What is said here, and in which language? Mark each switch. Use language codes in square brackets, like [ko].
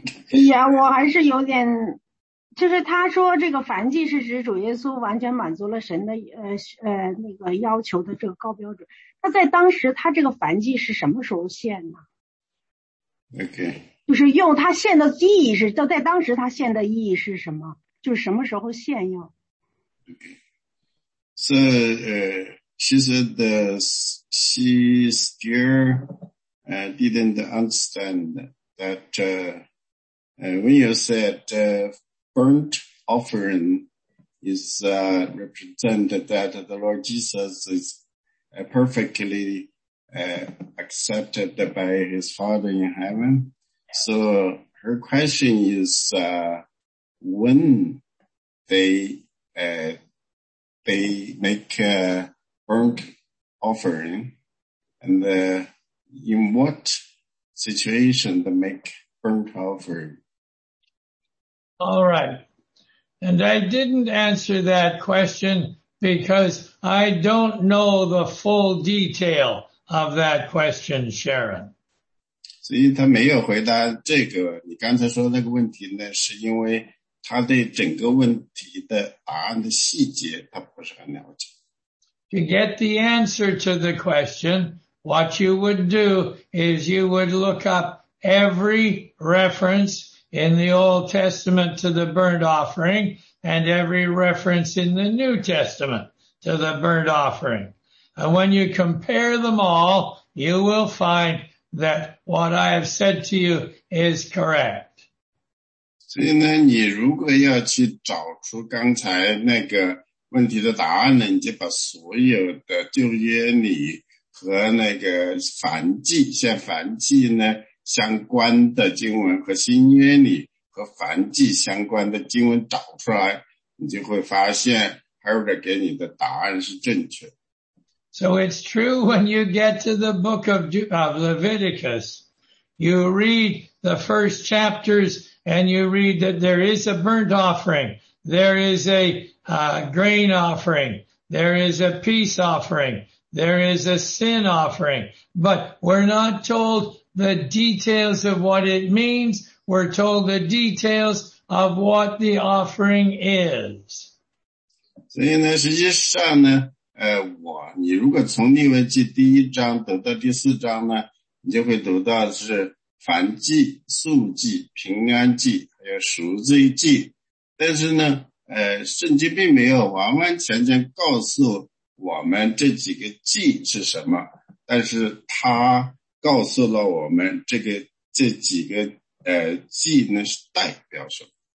[zh] Yeah, 我还是有点，就是他说这个燔祭是指主耶稣完全满足了神的那个要求的这个高标准。那在当时他这个燔祭是什么时候献呢？OK，就是用他献的意义是，在当时他献的意义是什么？就是什么时候献用 [en] ？OK， [zh] 是、 [en] so, [zh] 其实 [en] the she still didn't understand that when you said burnt offering is represented that the Lord Jesus is perfectly accepted by his Father in heaven. So her question is when they make a burnt offering and in what situation they make burnt offering. All right. And I didn't answer that question because I don't know the full detail of that question, Sharon. [zh] 所以他没有回答这个，你刚才说那个问题呢，是因为他对整个问题的答案的细节他不是很了解。 [en] To get the answer to the question, what you would do is you would look up every reference in the Old Testament to the burnt offering and every reference in the New Testament to the burnt offering. And when you compare them all, you will find that what I have said to you is correct. [zh] 所以呢，你如果要去找出刚才那个问题的答案呢，你就把所有的旧约里和那个燔祭，像燔祭呢相关的经文和新约里和燔祭相关的经文找出来，你就会发现 Harold 给你的答案是正确。 [en] So it's true when you get to the book of Leviticus, you read the first chapters and you read that there is a burnt offering, there is a grain offering, there is a peace offering, there is a sin offering, but we're not told the details of what it means, we're told the details of what the offering is. [zh] 所以呢，实际上呢，你如果从利未记第一章读到第四章呢，你就会读到是燔祭、素祭、平安祭，还有赎罪祭。但是呢，圣经并没有完完全全告诉我们这几个祭是什么，但是它告诉了我们这个这几个祭呢是代表什么。